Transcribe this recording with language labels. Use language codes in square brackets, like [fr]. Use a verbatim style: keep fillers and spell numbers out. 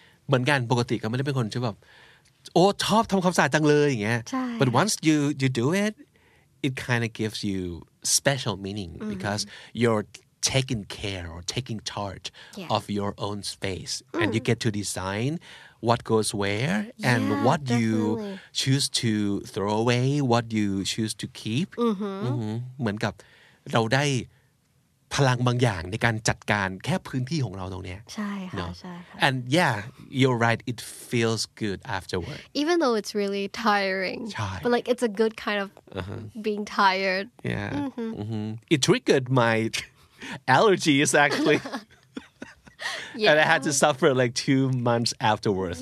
[th] เหมือนกันปกติก็ไม่ได้เป็นคนที่แบบโอ้ชอบทำความสะอาดจังเลยอย่างเงี้ย [en] But once you you do it, it kind of gives you special meaning [th] mm-hmm. [en] because you're taking care or taking charge yeah. of your own space, mm-hmm. and you get to design what goes where and yeah, what definitely. you choose to throw away, what you choose to keep. Mm-hmm. Mm-hmm. [th] เหมือนกับเราได้พลังบางอย่างในการจัดการแค่พื้นที่ของเราตรงเนี้ย ใช่ค่ะ [en] no. [th] ใช่ค่ะ [en] and yeah you're right it feels good afterward even though it's really tiring [th] ใช่ [en] but like it's a good kind of uh-huh. being tired yeah mm-hmm. Mm-hmm. it triggered my allergies actually yeah. and I had to suffer like two months afterwards